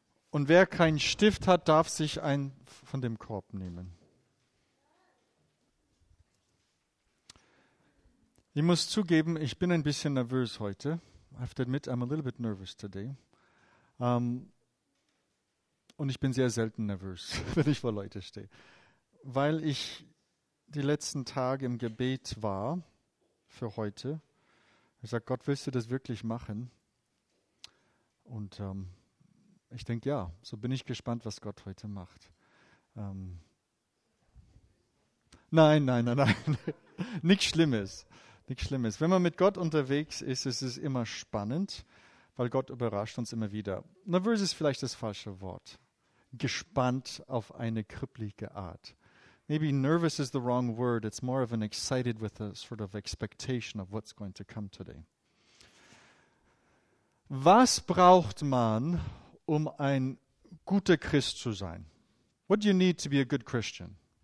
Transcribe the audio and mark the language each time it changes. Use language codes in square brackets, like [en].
[de] Und wer keinen Stift hat, darf sich einen von dem Korb nehmen. Ich muss zugeben, ich bin ein bisschen nervös heute. [en] I have to admit, I'm a little bit nervous today. [de] Und ich bin sehr selten nervös, wenn ich vor Leute stehe. Weil ich die letzten Tage im Gebet war für heute. Ich sage, Gott, willst du das wirklich machen? Und ich denke, ja, so bin ich gespannt, was Gott heute macht. Nein. Nichts Schlimmes. Wenn man mit Gott unterwegs ist, ist es immer spannend, weil Gott überrascht uns immer wieder. Nervös ist vielleicht das falsche Wort. Gespannt auf eine kribbelige Art. [en] Maybe nervous is the wrong word. It's more of an excited with a sort of expectation of what's going to come today. [de] Was braucht man, um ein guter Christ zu sein? [en] What do you need to be a good Christian?